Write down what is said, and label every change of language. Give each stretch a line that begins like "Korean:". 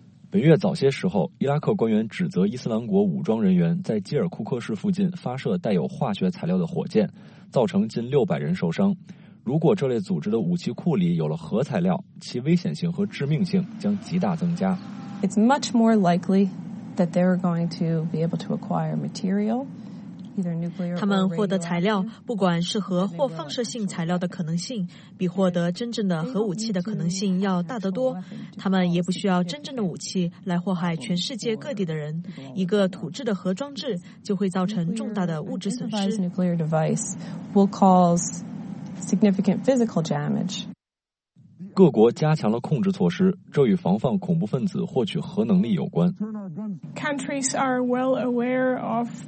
Chinese: 本月早些时候，伊拉克官员指责伊斯兰国武装人员在基尔库克市附近发射带有化学材料的火箭，造成近600人受伤。如果这类组织的武器库里有了核材料，其危险性和致命性将极大增加。
English: It's much more likely that they're going to be able to acquire material.
Chinese: 他们获得材料，不管是核或放射性材料的可能性，比获得真正的核武器的可能性要大得多。他们也不需要真正的武器来祸害全世界各地的人。一个土制的核装置就会造成重大的物质损失。
English: Nuclear device will cause significant physical damage.
Chinese: 各国加强了控制措施，这与防范恐怖分子获取核能力有关。
English: Countries are well aware of.